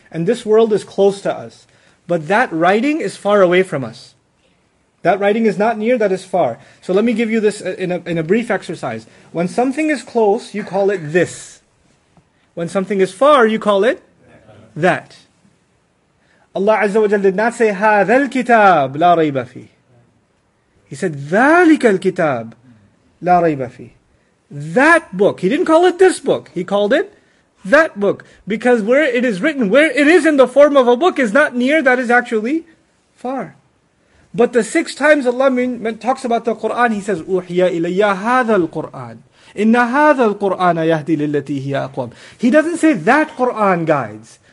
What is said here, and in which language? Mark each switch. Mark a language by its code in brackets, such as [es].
[en] And this world is close to us. But that writing is far away from us. That writing is not near, that is far. So let me give you this in a brief exercise. When something is close, you call it this. When something is far, you call it that. Allah Azza wa Jal did not say, [ar] هذا الكتاب لا ريب فيه. [en] He said, [ar] ذلك الكتاب لا ريب فيه. [en] That book. He didn't call it this book. He called it that book. Because where it is written, where it is in the form of a book, is not near, that is actually far. But the six times Allah talks about the Qur'an, He says, [ar] أُحْيَا إِلَيَّا هَذَا الْقُرْآنِ إِنَّ هَذَا الْقُرْآنَ يَهْدِي لِلَّتِي هِيَ أَقْوَمِ. [en] He doesn't say that Qur'an guides.